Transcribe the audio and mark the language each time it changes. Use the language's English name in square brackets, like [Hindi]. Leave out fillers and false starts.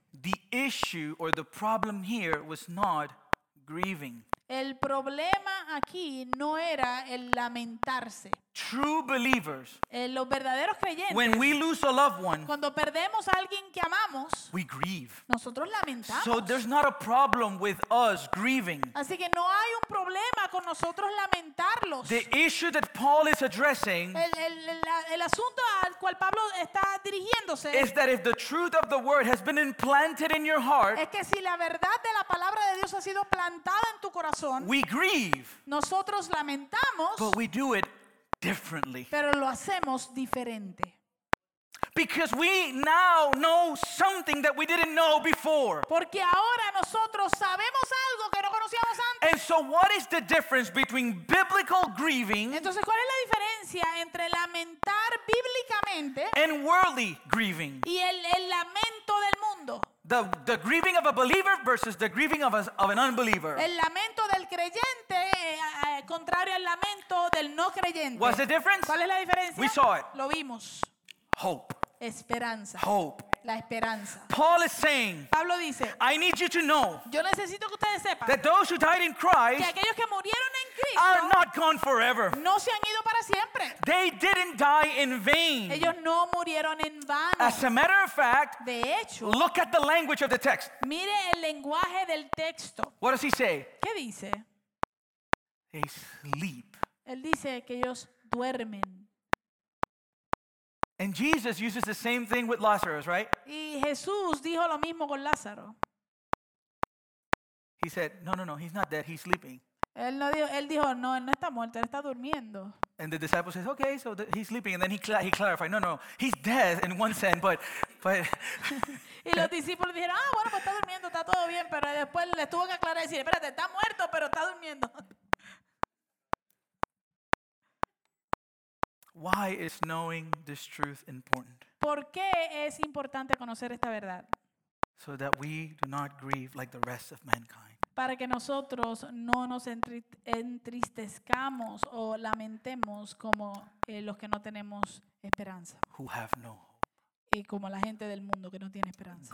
[English] The issue or the problem here was not grieving. [Spanish] El problema aquí no era el lamentarse. [English] True believers, [Spanish] los verdaderos creyentes, [English] when we lose a loved one, [Spanish] cuando perdemos a alguien que amamos, [English] we grieve. [Spanish] Nosotros lamentamos. [English] So there's not a problem with us grieving. [Spanish] Así que no hay un problema con nosotros lamentarlos. [English] The issue that Paul is addressing, [Spanish] el asunto al cual Pablo está dirigiéndose, [English] is that if the truth of the word has been implanted in your heart, [Spanish] es que si la verdad de la palabra de Dios ha sido plantada en tu corazón, [English] we grieve. [Spanish] Nosotros lamentamos. [English] But we do it differently. [Spanish] Pero lo hacemos diferente. [English] Because we now know something that we didn't know before. [Spanish] Porque ahora nosotros sabemos algo que no conocíamos antes. [English] And so what is the difference between biblical grieving? [Spanish] Entonces, ¿cuál es la diferencia entre lamentar bíblicamente [English] and worldly grieving? [Spanish] Y el lamento del mundo. [English] The grieving of a believer versus the grieving of an unbeliever. [Spanish] El lamento del creyente contrario al lamento del no creyente. [English] What's the difference? [Spanish] ¿Cuál es la diferencia? [English] We saw it. [Spanish] Lo vimos. [English] Hope. [Spanish] Esperanza. [English] Hope. [Spanish] La esperanza. [English] Paul is saying, [Spanish] Pablo dice, [English] I need you to know, [Spanish] yo necesito que ustedes sepan, [English] that those who died in Christ, [Spanish] que aquellos que murieron en Cristo, [English] are not gone forever. [Spanish] No se han ido para siempre. [English] They didn't die in vain. [Spanish] Ellos no murieron en vano. [English] As a matter of fact, [Spanish] de hecho, [English] look at the language of the text. [Spanish] Mire el lenguaje del texto. [English] What does he say? [Spanish] ¿Qué dice? [English] They sleep. [Spanish] Él dice que ellos duermen. [English] And Jesus uses the same thing with Lazarus, right? [Spanish] Y Jesús dijo lo mismo con Lázaro. [English] He said, no, he's not dead, he's sleeping. [Spanish] Él no dijo, él dijo, no, él no está muerto, él está durmiendo. [English] And the disciple says, okay, so he's sleeping. And then he clarified, no, he's dead in one sense, but. [Spanish] Y los discípulos dijeron, ah, bueno, pues está durmiendo, está todo bien. Pero después le tuvo que aclarar y decir, espérate, está muerto, pero está durmiendo. [English] Why is knowing this truth important? [Spanish] ¿Por qué es importante conocer esta verdad? [English] So that we do not grieve like the rest of mankind. [Spanish] Para que nosotros no nos entristezcamos o lamentemos como los que no tenemos esperanza. [English] Who have no hope. [Spanish] Y como la gente del mundo que no tiene esperanza.